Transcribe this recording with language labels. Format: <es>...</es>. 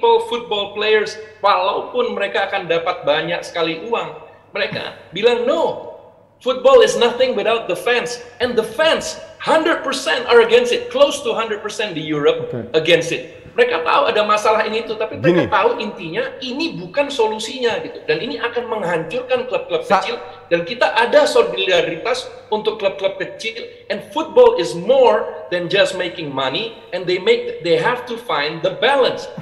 <en>Football players,</en> <id>walaupun mereka akan dapat banyak sekali uang, mereka bilang no.</id> <en>Football is nothing without the fans, and the fans 100% are against it, close to 100% di Europe against it.</en> <id>Mereka tahu ada masalah ini itu, tapi mereka tahu intinya ini bukan solusinya gitu, dan ini akan menghancurkan klub-klub kecil. Dan kita ada solidaritas untuk klub-klub kecil.</id> <en>And football is more than just making money, and they have to find the balance.</en>